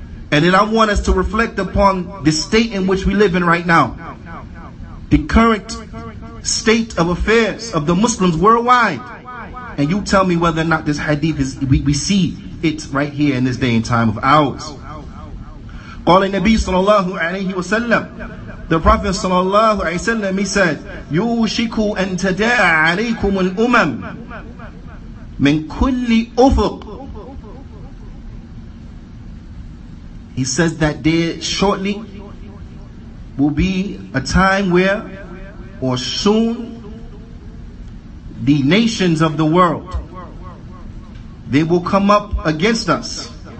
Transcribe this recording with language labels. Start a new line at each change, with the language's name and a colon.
English: And then I want us to reflect upon the state in which we live in right now. The current state of affairs of the Muslims worldwide. And you tell me whether or not this hadith is, we see it right here in this day and time of ours.
Arabic: قال النبي صلى الله عليه وسلم.
English: The Prophet صلى الله عليه وسلم, he said,
Arabic: يوشك أن تداعى عليكم الأمم من كل أفق.
English: He says that there shortly will be a time where, or soon, the nations of the world, they will come up against us.